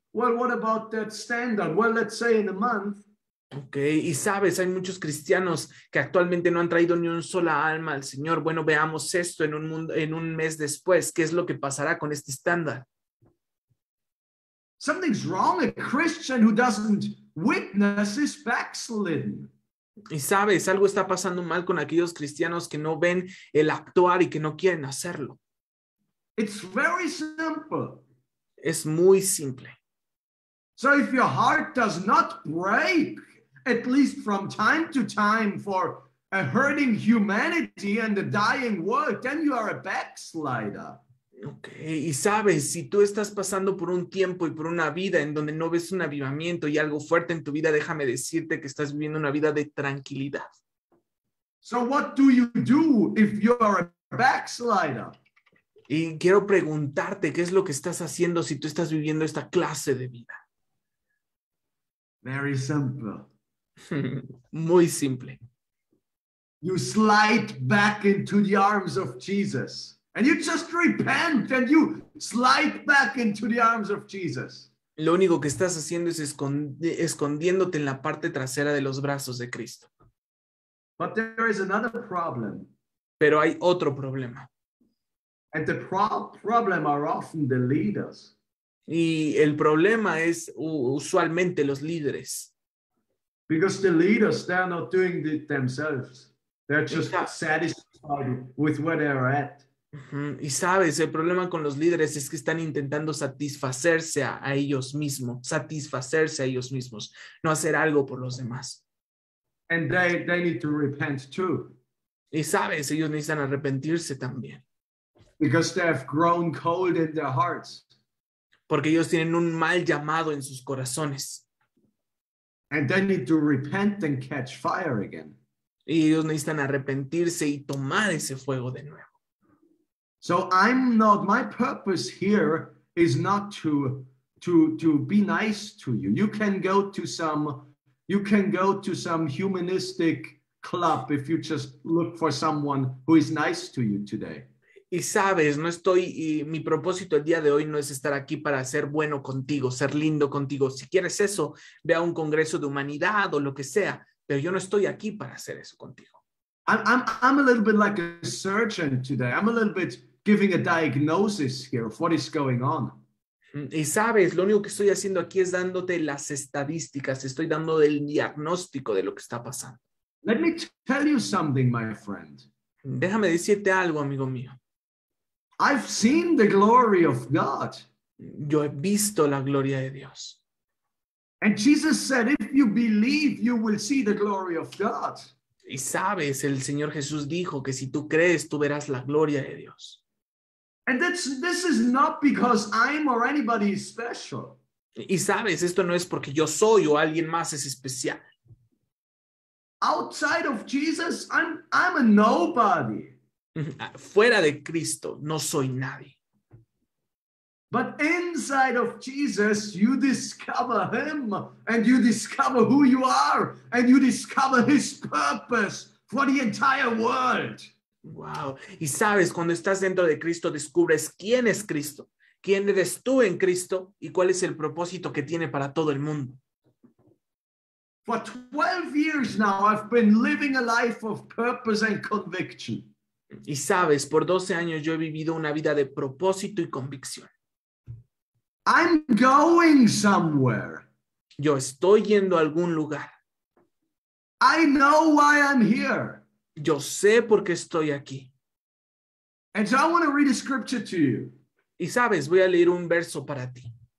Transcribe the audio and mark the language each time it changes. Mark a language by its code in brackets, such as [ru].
[en] Well, what about that standard? Well, let's say in a month. [es] Okay, y sabes, hay muchos cristianos que actualmente no han traído ni un sola alma al Señor. Bueno, veamos esto en un mes después. ¿Qué es lo que pasará con este estándar? [en] Something's wrong. A Christian who doesn't witness is backslidden. [es] Y sabes, algo está pasando mal con aquellos cristianos que no ven el actuar y que no quieren hacerlo. [en] It's very simple. [es] Es muy simple. [en] So if your heart does not break, at least from time to time, for a hurting humanity and a dying world, then you are a backslider. Okay. [es] Y sabes, si tú estás pasando por un tiempo y por una vida en donde no ves un avivamiento y algo fuerte en tu vida, déjame decirte que estás viviendo una vida de tranquilidad. [en] So what do you do if you are a backslider? [es] Y quiero preguntarte, ¿qué es lo que estás haciendo si tú estás viviendo esta clase de vida? [en] Very simple. [es] Muy simple. [en] You slide back into the arms of Jesus And you just repent and you slide back into the arms of Jesus. [es] Lo único que estás haciendo es escondiéndote en la parte trasera de los brazos de Cristo. [en] But there is another problem. [es] Pero hay otro problema. [en] And the problem are often the leaders. [es] Y el problema es usualmente los líderes. [en] Because the leaders, they're not doing it themselves. They're just satisfied with where they're at. [es] Y sabes, el problema con los líderes es que están intentando satisfacerse a ellos mismos, no hacer algo por los demás. [en] And they need to repent too. [es] Y sabes, ellos necesitan arrepentirse también. [en] Because they have grown cold in their hearts. [es] Porque ellos tienen un mal llamado en sus corazones. [en] And they need to repent and catch fire again. [es] Y ellos necesitan arrepentirse y tomar ese fuego de nuevo. [en] So I'm not, my purpose here is not to be nice to you. You can go to some humanistic club if you just look for someone who is nice to you today. [es] Y sabes, no estoy, y mi propósito el día de hoy no es estar aquí para ser bueno contigo, ser lindo contigo. Si quieres eso, ve a un congreso de humanidad o lo que sea, pero yo no estoy aquí para hacer eso contigo. [en] I'm a little bit like a surgeon today. I'm a little bit giving a diagnosis here of what is going on. [es] Y sabes, lo único que estoy haciendo aquí es dándote las estadísticas. Estoy dando el diagnóstico de lo que está pasando. [en] Let me tell you something, my friend. [es] Déjame decirte algo, amigo mío. [en] I've seen the glory of God. [es] Yo he visto la gloria de Dios. [en] And Jesus said, if you believe, you will see the glory of God. [es] Y sabes, el Señor Jesús dijo que si tú crees, tú verás la gloria de Dios. [en] And this is not because I'm or anybody is special. [es] Y sabes, esto no es porque yo soy o alguien más es especial. [en] Outside of Jesus, I'm a nobody. [es] Fuera de Cristo, no soy nadie. [en] But inside of Jesus, you discover him and you discover who you are and you discover his purpose for the entire world. Wow. [es] Y sabes, cuando estás dentro de Cristo, descubres quién es Cristo, quién eres tú en Cristo y cuál es el propósito que tiene para todo el mundo. [en] For 12 years now, I've been living a life of purpose and conviction. [es] Y sabes, por 12 años yo he vivido una vida de propósito y convicción. [en] I'm going somewhere. [es] Yo estoy yendo a algún lugar. [en] I know why I'm here. [es] Yo sé por qué estoy aquí. [en] And so I want to read a scripture to you. [es] Y sabes, voy a leer un verso para ti.